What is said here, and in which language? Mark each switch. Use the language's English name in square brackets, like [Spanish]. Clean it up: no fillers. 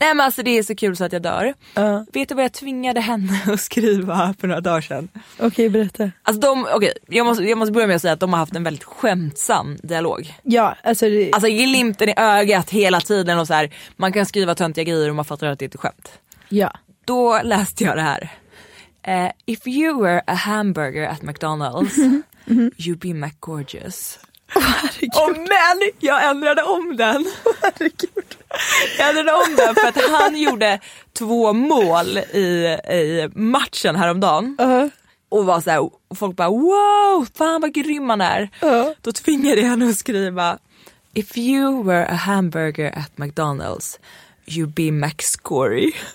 [Swedish] Nej men alltså det är så kul så att jag dör. Vet du vad jag tvingade henne att skriva för några dagar sedan? Okej, berätta. Alltså jag måste börja med att säga att de har haft en väldigt skämtsam dialog. Ja, alltså det... Alltså glimten i ögat hela tiden och så här, man kan skriva töntiga grejer och man fattar att det är ett skämt. Ja. Då läste jag det här. [English] If you were a hamburger at McDonald's, you'd be McGorgeous. Oh, [Swedish] men jag ändrade om den. Herregud. Jag ändrade om den för att han gjorde 2 mål i matchen häromdagen. Och var så här, och folk bara, wow, fan vad grym man är. Då tvingade jag henne att skriva, [English] if you were a hamburger at McDonald's, you'd be McScory.